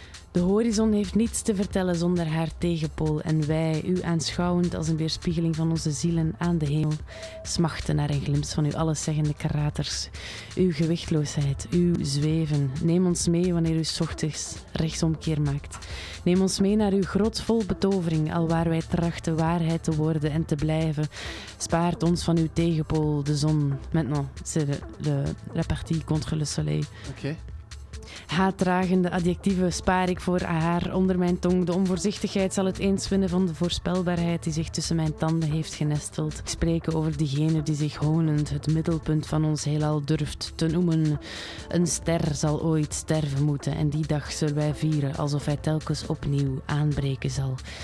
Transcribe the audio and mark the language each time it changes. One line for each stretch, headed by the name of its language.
Dutch: De horizon heeft niets te vertellen zonder haar tegenpool. En wij, u aanschouwend als een weerspiegeling van onze zielen aan de hemel, smachten naar een glimp van uw alleszeggende karaters. Uw gewichtloosheid, uw zweven. Neem ons mee wanneer u 's ochtends rechtsomkeer maakt. Neem ons mee naar uw grot vol betovering, alwaar wij trachten waarheid te worden en te blijven. Spaart ons van uw tegenpool, de zon.
French: Maintenant, c'est la partie contre le soleil.
Dutch: Oké. Okay. Haatdragende adjectieven spaar ik voor haar onder mijn tong. De onvoorzichtigheid zal het eens winnen van de voorspelbaarheid die zich tussen mijn tanden heeft genesteld. Ik spreek over diegene die zich honend het middelpunt van ons heelal durft te noemen. Een ster zal ooit sterven moeten en die dag zullen wij vieren alsof hij telkens opnieuw aanbreken zal.